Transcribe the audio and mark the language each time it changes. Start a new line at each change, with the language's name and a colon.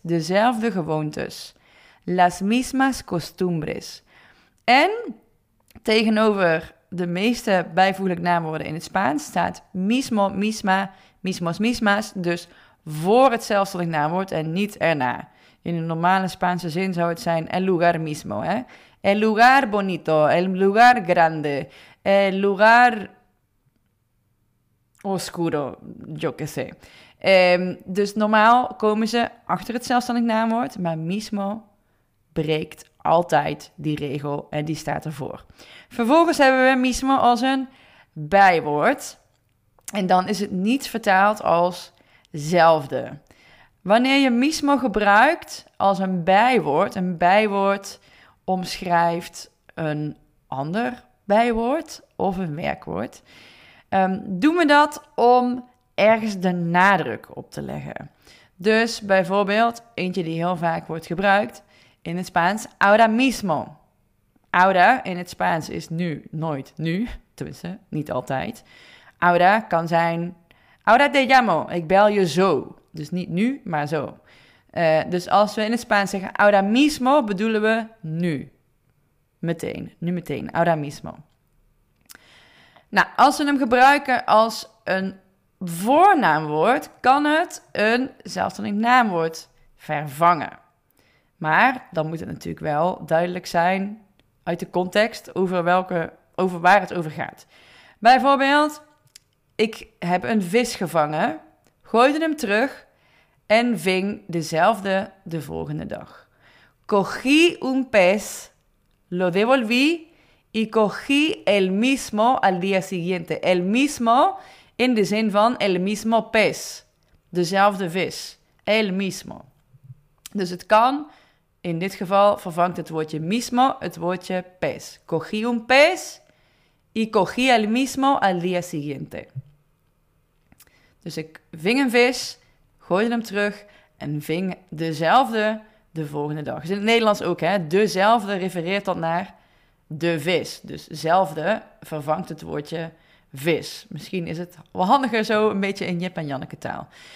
Dutch: Dezelfde gewoontes.
Spanish: Las mismas costumbres.
Dutch: En tegenover de meeste bijvoeglijk naamwoorden in het Spaans staat mismo, misma, mismos, misma's. Dus voor het zelfstandig naamwoord en niet erna. In een normale Spaanse zin zou het zijn
Spanish: el lugar mismo.
Dutch: Hè?
Spanish: El lugar bonito, el lugar grande, el lugar oscuro, yo que sé.
Dutch: Dus normaal komen ze achter het zelfstandig naamwoord, maar mismo breekt altijd die regel en die staat ervoor. Vervolgens hebben we mismo als een bijwoord. En dan is het niet vertaald als zelfde. Wanneer je mismo gebruikt als een bijwoord omschrijft een ander bijwoord of een werkwoord. Doen we dat om ergens de nadruk op te leggen. Dus bijvoorbeeld eentje die heel vaak wordt gebruikt in het Spaans, ahora mismo. Ahora in het Spaans is nu, nooit nu, tenminste, niet altijd. Ahora kan zijn,
Spanish: ahora te llamo,
Dutch: ik bel je zo. Dus niet nu, maar zo. Dus als we in het Spaans zeggen, ahora mismo, bedoelen we nu. Meteen, nu meteen, ahora mismo. Nou, als we hem gebruiken als een voornaamwoord, kan het een zelfstandig naamwoord vervangen. Maar dan moet het natuurlijk wel duidelijk zijn uit de context over waar het over gaat. Bijvoorbeeld, ik heb een vis gevangen, gooide hem terug en ving dezelfde de volgende dag.
Spanish: Cogí un pez, lo devolví y cogí el mismo al día siguiente.
Dutch: El mismo in de zin van
Spanish: el mismo pez.
Dutch: Dezelfde vis. El mismo. Dus het kan. In dit geval vervangt het woordje mismo het woordje pez.
Spanish: Cogí un pez y cogí el mismo al día siguiente.
Dutch: Dus ik ving een vis, gooide hem terug en ving dezelfde de volgende dag. Dus in het Nederlands ook, hè, dezelfde refereert dan naar de vis. Dus zelfde vervangt het woordje vis. Misschien is het wel handiger zo een beetje in Jip en Janneke taal.